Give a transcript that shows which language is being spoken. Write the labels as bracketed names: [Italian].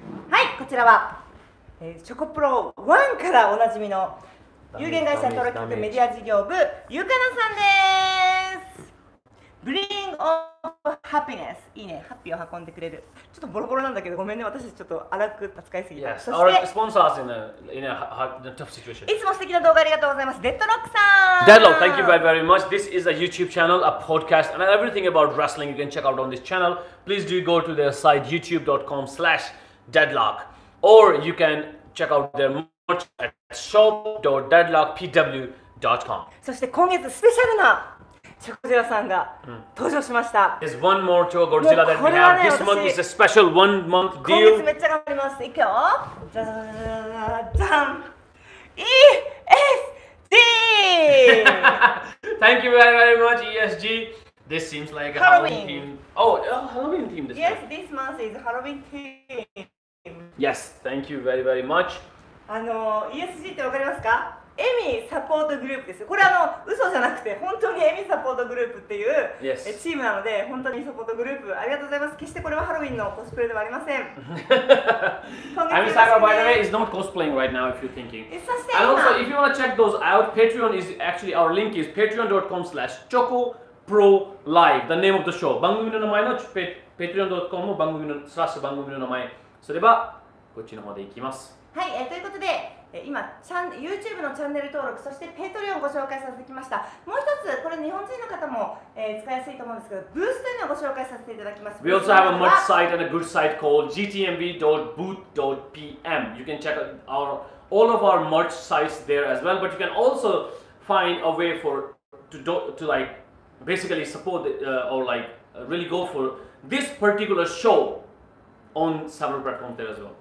[Japanese] はい、こちらは、チョコプロ1からおなじみの有限会社トロキックメディア事業部、ゆかなさんです！ [English] Bring of happiness. [Japanese] いいね、ハッピーを運んでくれる。ちょっとボロボロなんだけど、ごめんね、私たちちょっと荒く扱いすぎた。 [English] Yes. Our sponsors in a tough situation. [Japanese] いつも素敵な動画ありがとうございます。デッドロックさん。 [English] Deadlock, thank you very, very much. This is a YouTube channel, a podcast, and everything about wrestling you can check out on this channel. Please do go to their site youtube.com/deadlock, or you can check out their merch at shop.deadlockpw.com. [Japanese] そして今月スペシャルなチョコゴジラさんが登場しました。 [English] There's one more Choco Godzilla that we have. This month is a special one month deal. [Japanese] 今月めっちゃ頑張ります。いくよ。じゃじゃじゃじゃん。ESG! [English] Thank you very, very much, ESG. This seems like a Halloween theme. Oh, Halloween theme this Yes, this month is Halloween theme. Yes, thank you very, very much. [Japanese] ESG ってわかりますか? エミサポートグループです。これ嘘じゃなくて、本当にエミサポートグループっていう、 [English] yes. [Japanese] チームなので、本当にサポートグループ、ありがとうございます。決してこれはハロウィンのコスプレではありません。エミサポート、 [English] by the way, is not cosplaying right now, if you're thinking. [Japanese] そして [English] 今、And also, if you want to check those out, Patreon is actually, our link is patreon.com/chocoprolive, the name of the show. [Japanese] 番組の名前の patreon.com も番組の、スラッシュ番組の名前。すれば、こっちの方で行きます。はい、ということで、今 YouTube のチャンネル登録そして Patreon をご紹介させてきました。もう一つこれ日本人の方も、使いやすいと思うんですけど、ブースというのをご紹介させていただきます。 [English] We also have a merch site and a good site called gtmb.boot.pm. You can check out all of our merch sites there as well. But you can also find a way for to like basically support or like really go for this particular show on several platforms there as well.